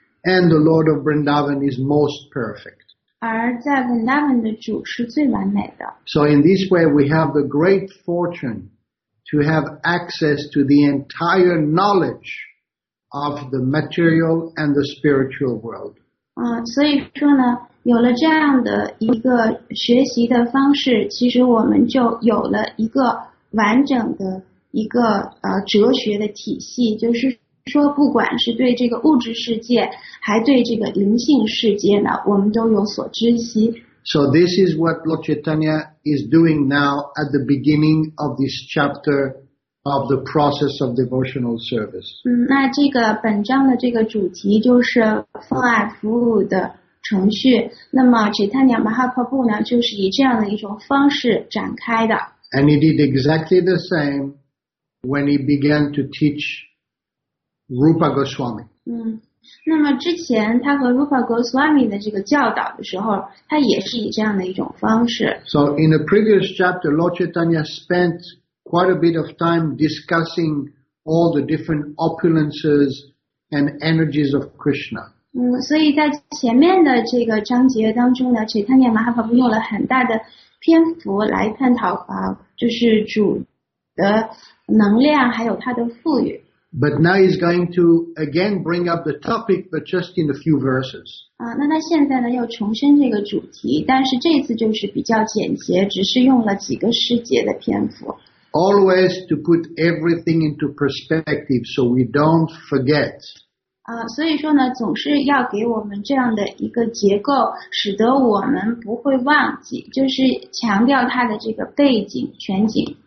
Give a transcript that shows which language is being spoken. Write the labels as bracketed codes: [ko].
[en] And the Lord of Vrindavan is most perfect [zh] 而在 Vrindavan 的主是最完美的。 [en] So in this way, we have the great fortune to have access to the entire knowledge of the material and the spiritual world. [zh] 所以说呢，有了这样的一个学习的方式，其实我们就有了一个完整的一个哲学的体系，就是。说不管是对这个物质世界还对这个灵性世界呢我们都有所知悉 [en] So this is what Lord Chaitanya is doing now at the beginning of this chapter of the process of devotional service [zh] 那这个本章的这个主题就是奉爱服务的程序那么 Chaitanya Mahaprabhu 呢就是以这样的一种方式展开的 [en] And he did exactly the same when he began to teach Rupa Goswami. [zh] 那么之前他和 Rupa Goswami 的这个教导的时候，他也是以这样的一种方式。 [en] So in the previous chapter, Lord Chaitanya spent quite a bit of time discussing all the different opulences and energies of Krishna. [zh] 所以在前面的这个章节当中呢 ，Chaitanya Mahaprabhu 用了很大的篇幅来探讨就是主的能量还有他的富裕。 [en] But now he's going to again bring up the topic, but just in a few verses. [zh] 那他现在呢又重申这个主题，但是这次就是比较简洁，只是用了几个诗节的篇幅。 [en] Always to put everything into perspective, so we don't forget. [zh] 所以说呢，总是要给我们这样的一个结构，使得我们不会忘记，就是强调它的这个背景全景。